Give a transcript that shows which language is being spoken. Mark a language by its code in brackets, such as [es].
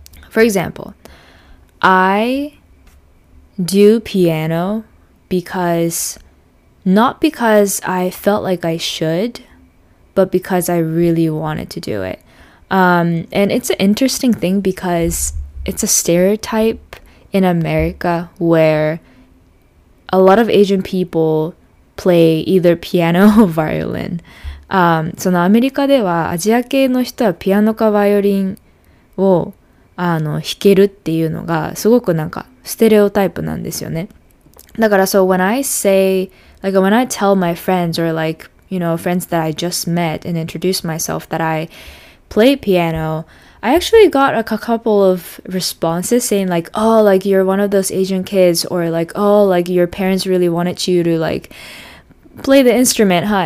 [en] For example,I do piano because, not because I felt like I should, but because I really wanted to do it. And it's an interesting thing because it's a stereotype in America where a lot of Asian people play either piano or violin. [ja] そのアメリカではアジア系の人はピアノかバイオリンをあの弾けるっていうのがすごくなんかステレオタイプなんですよね。だから [en] so when I say like when I tell my friends or like you know friends that I just met and introduce myself that I play piano, I actually got a couple of responses saying like oh like you're one of those Asian kids or like oh like your parents really wanted you to like play the instrument, huh?